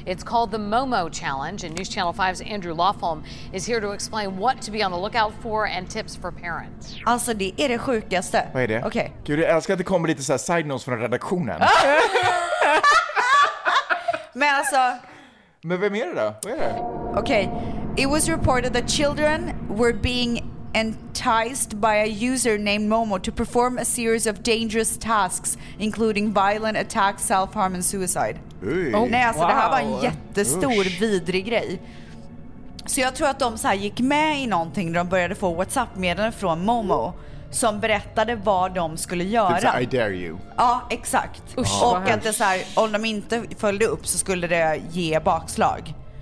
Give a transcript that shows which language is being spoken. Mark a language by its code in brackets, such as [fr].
[en] It's called the Momo Challenge, and News Channel 5's Andrew Lofholm is here to explain what to be on the lookout for and tips for parents. [sv] Alltså, det är det sjukaste. Vad är det? Okej. [en] Okay. [sv] Gud, jag älskar att det kommer lite så här side notes från redaktionen. Men alltså... Men vem är det då? Vad är det? Okej. [en] Okay. It was reported that children were being enticed by a user named Momo to perform a series of dangerous tasks including violent attacks, self-harm and suicide. Oh, [sv] nej, alltså wow. Det här var en jättestor vidrig grej. Så jag tror att de så här gick med i någonting när de började få WhatsApp-meddelanden från Momo som berättade vad de skulle göra. [en] I dare you. [sv] Ja, exakt. Usch, och att det så här, om de inte följde upp så skulle det ge bakslag.